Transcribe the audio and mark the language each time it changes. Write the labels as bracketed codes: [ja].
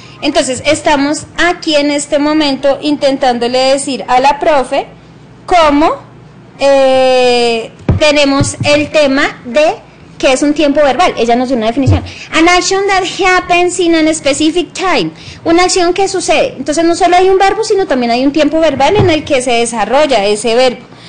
[es] Entonces, estamos aquí en este momento intentándole decir a la profe cómo tenemos el tema de qué es un tiempo verbal. Ella nos dio una definición. [en] An action that happens in a specific time. [es] Una acción que sucede. Entonces, no solo hay un verbo, sino también hay un tiempo verbal en el que se desarrolla ese verbo.